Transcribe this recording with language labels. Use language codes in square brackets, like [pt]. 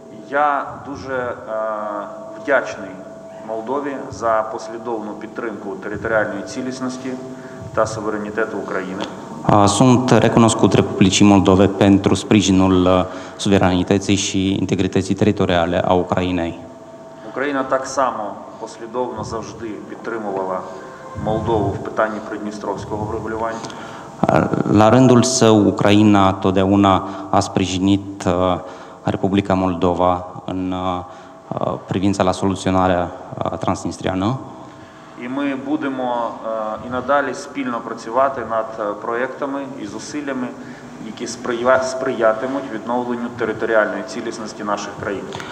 [uk] Я дуже вдячний Молдові за послідовну підтримку територіальної цілісності та суверенітету України. [ro] Sunt recunoscut Republicii Moldove pentru sprijinul suveranității și integrității teritoriale a Ucrainei. [uk] Україна так само послідовно завжди підтримувала Молдову в питанні придністровського врегулювання. [ro] La rândul său, Ucraina totdeauna a sprijinit Republica Moldova în privința la soluționarea transnistriană. [uk] І ми будемо і надалі спільно працювати над проєктами і зусиллями, які сприятимуть відновленню територіальної цілісності наших країн.